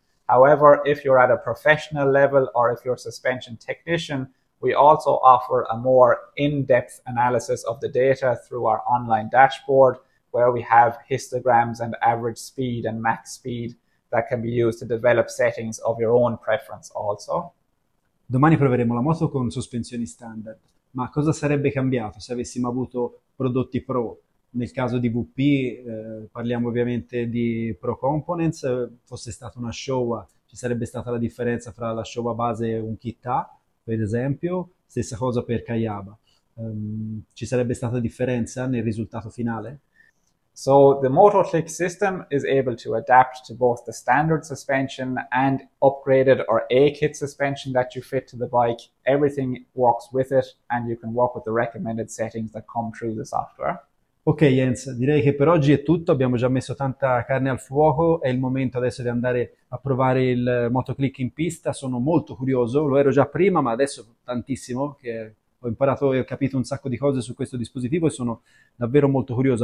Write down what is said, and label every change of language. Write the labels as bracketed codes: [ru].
[en] However, if you're at a professional level or if you're a suspension technician, we also offer a more in-depth analysis of the data through our online dashboard, where we have histograms and average speed and max speed that can be used to develop settings of your own preference also. [it] Domani proveremo la moto con sospensioni standard, ma cosa sarebbe cambiato se avessimo avuto prodotti pro? Nel caso di VP, parliamo ovviamente di pro components, fosse stata una Showa, ci sarebbe stata la differenza fra la Showa base e un kit A, per esempio, stessa cosa per Kayaba. Ci sarebbe stata differenza nel risultato finale? [en] So the Motoklik system is able to adapt to both the standard suspension and upgraded or A-kit suspension that you fit to the bike. Everything works with it and you can work with the recommended settings that come through the software. [it] Ok Jens, direi che per oggi è tutto, abbiamo già messo tanta carne al fuoco, è il momento adesso di andare a provare il Motoklik in pista, sono molto curioso, lo ero già prima ma adesso tantissimo che imparato e ho capito un sacco di cose su questo dispositivo e sono davvero molto curioso.